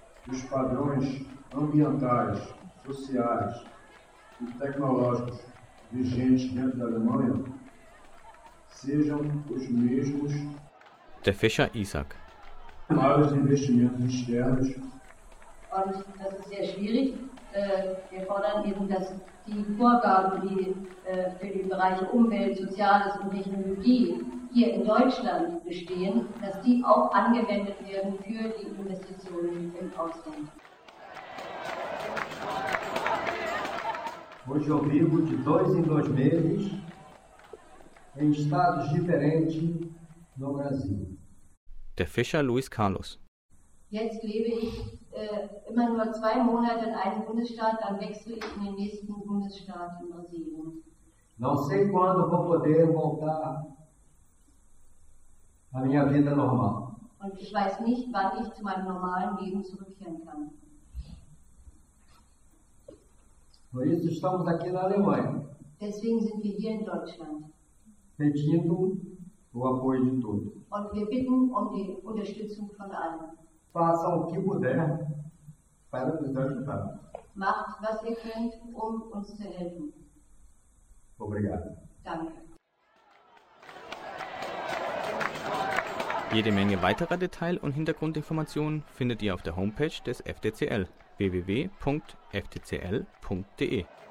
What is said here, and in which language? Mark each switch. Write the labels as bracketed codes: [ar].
[pt] Os padrões ambientais, sociais e tecnológicos vigentes dentro da Alemanha sejam os mesmos. [de] Der Fischer Isaac. [pt] Maiores investimentos externos. [de] Und das ist sehr schwierig. Wir fordern eben, dass die Vorgaben, die für die Bereiche Umwelt, Soziales und Technologie hier in Deutschland bestehen, dass die auch angewendet werden für die Investitionen im Ausland. [pt] Hoje eu vivo de dois em dois meses em estados diferentes no Brasil. [de] Der Fischer Luiz Carlos. Jetzt lebe ich immer nur zwei Monate in einem Bundesstaat, dann wechsle ich in den nächsten Bundesstaat in Brasilien. [pt] Não sei quando vou poder voltar à minha vida normal. [de] Und ich weiß nicht, wann ich zu meinem normalen Leben zurückkehren kann. [pt] Por isso estamos aqui na Alemanha. [de] Deswegen sind wir hier in Deutschland. [pt] Pedindo o apoio de todos. [de] Und wir bitten um die Unterstützung von allen. [pt] Faça o que puder para nos ajudar. [de] Macht, was ihr könnt, um uns zu helfen. [pt] Obrigado. [de] Danke. Jede Menge weiterer Detail- und Hintergrundinformationen findet ihr auf der Homepage des FDCL. www.ftcl.de